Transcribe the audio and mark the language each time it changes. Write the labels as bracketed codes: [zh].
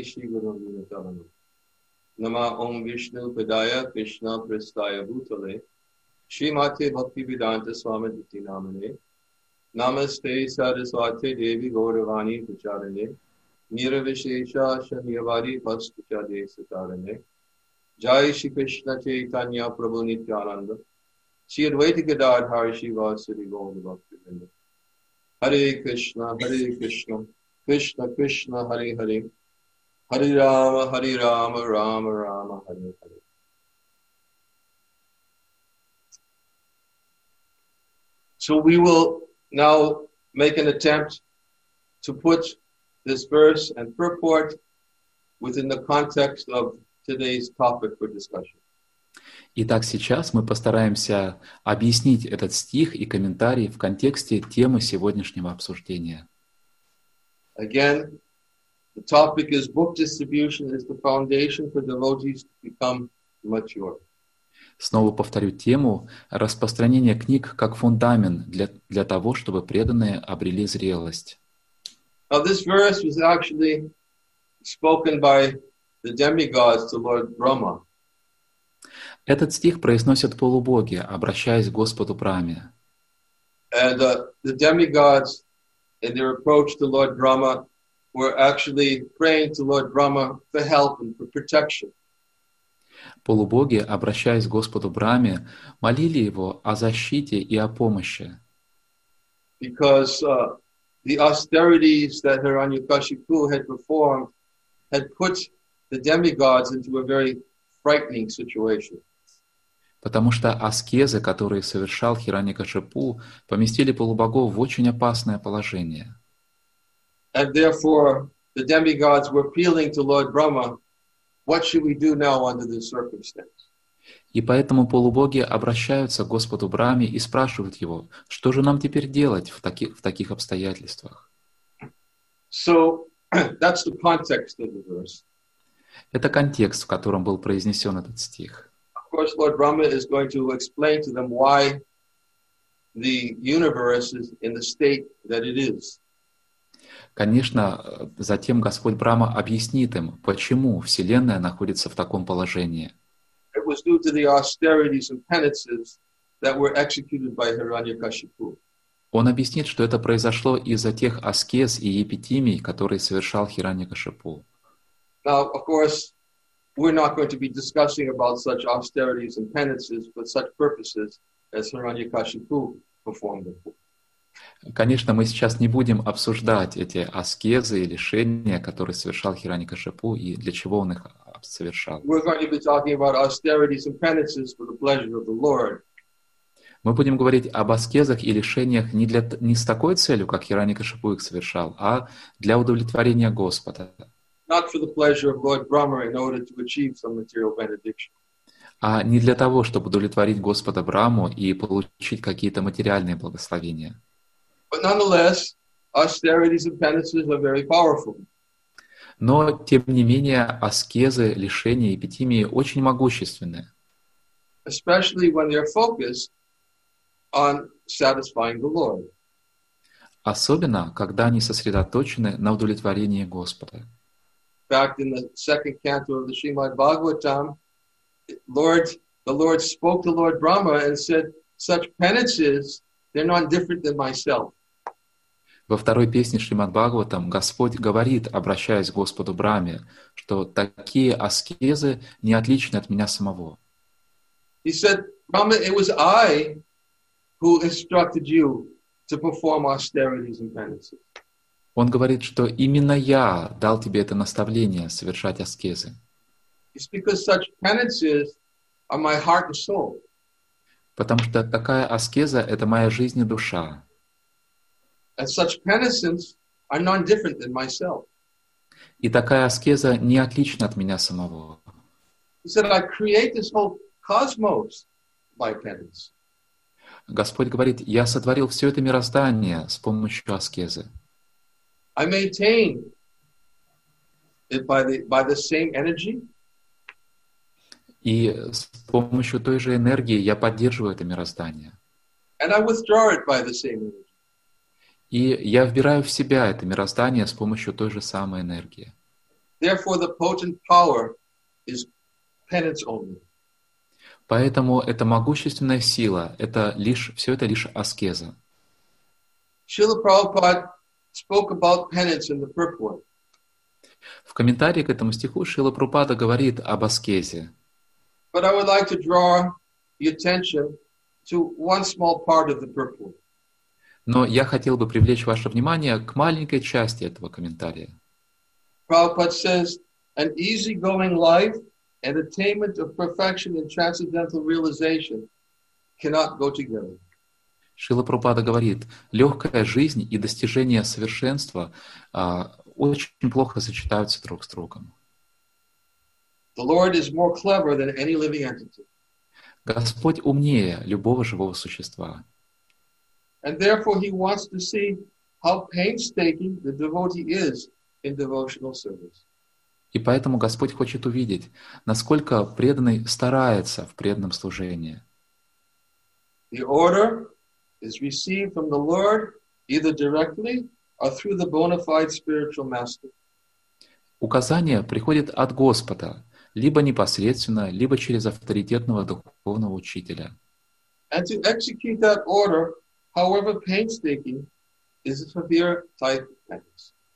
[sa] Нама Ом Вишну Падая Кришна Пристая Бутале, Шримате Бхакти Виданта Свамидхи Намане, Намасте Сарасвате Деви Гауравани Пачаране, Ниравишеша Шаньявари Пастучаде Сатаране, Джай Шри Кришна Чайтанья Прабху Нитьянанда, Шри Адвайта Гададхара Шивасади Гаура Бхакти Винда. Харе Кришна, Харе Кришна, Кришна Кришна, Харе Харе, Hari Rama, Hari Rama, Rama Rama, Hari Hari. [en] So we will now make an attempt to put this verse and purport within the context of today's topic for discussion. [ru] Итак, сейчас мы постараемся объяснить этот стих и комментарий в контексте темы сегодняшнего обсуждения. [en] Again, the topic is book distribution is the foundation for devotees to become mature. [ru] Снова повторю тему распространение книг как фундамент для того, чтобы преданные обрели зрелость. [en] Now this verse was actually spoken by the demigods to Lord Brahma. [ru] Этот стих произносят полубоги, обращаясь к Господу Браме. [en] And the demigods in their approach to Lord Brahma were actually praying to Lord Brahma for help and for protection. [ru] Полубоги, обращаясь к Господу Браме, молили его о защите и о помощи. [en] Because the austerities that Hiranyakashipu had performed had put the demigods into a very frightening situation. [ru] Потому что аскезы, которые совершал Хираньякашипу, поместили полубогов в очень опасное положение. [en] And therefore, the demigods were appealing to Lord Brahma, what should we do now under this circumstance? [ru] И поэтому полубоги обращаются к Господу Браме и спрашивают его, что же нам теперь делать в таких обстоятельствах? [en] So, that's the context of the verse. [ru] Это контекст, в котором был произнесен этот стих. [en] Of course, Lord Brahma is going to explain to them why the universe is in the state that it is. [ru] Конечно, затем Господь Брама объяснит им, почему Вселенная находится в таком положении. [en] It was due to the austerities and penances that were executed by Hiranyakashipu. [ru] Он объяснит, что это произошло из-за тех аскез и епитимий, которые совершал Хиранья-кашипу. [en] Now, of course, we're not going to be discussing about such austerities and penances, but such purposes as Hiranyakashipu performed them. [ru] Конечно, мы сейчас не будем обсуждать эти аскезы и лишения, которые совершал Хиранья-кашипу и для чего он их совершал. [en] We're going to be talking about austerities and penances for the pleasure of the Lord. [ru] Мы будем говорить об аскезах и лишениях не с такой целью, как Хиранья-Кашипу их совершал, а для удовлетворения Господа. [en] Not for the pleasure of Lord Brahma in order to achieve some material benediction. [ru] А не для того, чтобы удовлетворить Господа Браму и получить какие-то материальные благословения. [en] But nonetheless, austerities and penances are very powerful. [ru] Но, тем не менее, аскезы, лишения и эпитимии очень могущественны. [en] Especially when they're focused on satisfying the Lord. [ru] Особенно, когда они сосредоточены на удовлетворении Господа. [en] In fact, in the second canto of the Srimad Bhagavatam, the Lord spoke to Lord Brahma and said, such penances, they're not different than myself. [ru] Во второй песне Шримад-Бхагаватам Господь говорит, обращаясь к Господу Браме, что такие аскезы не отличны от меня самого. [en] He said, Brahma, it was I who instructed you to perform austerities and penances. [ru] Он говорит, что именно я дал тебе это наставление совершать аскезы. [en] It's because such penances are my heart and soul. [ru] Потому что такая аскеза — это моя жизнь и душа. [en] And such penances are none different than myself. [ru] И такая аскеза не отлична от меня самого. [en] He said, I create this whole cosmos by penance. [ru] Господь говорит, я сотворил все это мироздание с помощью аскезы. [en] I maintain it by the same energy. [ru] И с помощью той же энергии я поддерживаю это мироздание. [en] And I withdraw it by the same energy. [ru] И я вбираю в себя это мироздание с помощью той же самой энергии. [en] Therefore, the potent power is penance only. [ru] Поэтому эта могущественная сила, это лишь аскеза. [en] Srila Prabhupada spoke about penance in the purport. [ru] В комментарии к этому стиху Шрила Прабхупада говорит об аскезе. [en] But I would like to draw your attention to one small part of the purport. [ru] Но я хотел бы привлечь ваше внимание к маленькой части этого комментария. [en] Prabhupada says, an easygoing life and attainment of perfection and transcendental realization cannot go together. [ru] Шрила Прабхупада говорит, легкая жизнь и достижение совершенства очень плохо сочетаются друг с другом. [en] The Lord is more clever than any living entity. [ru] Господь умнее любого живого существа. [en] And therefore he wants to see how painstaking the devotee is in devotional service. [ru] И поэтому Господь хочет увидеть, насколько преданный старается в преданном служении. [en] The order is received from the Lord either directly or through the bona fide spiritual master. [ru] Указание приходит от Господа, либо непосредственно, либо через авторитетного духовного учителя. [en] And to execute that order, however painstaking, is a severe type of penance.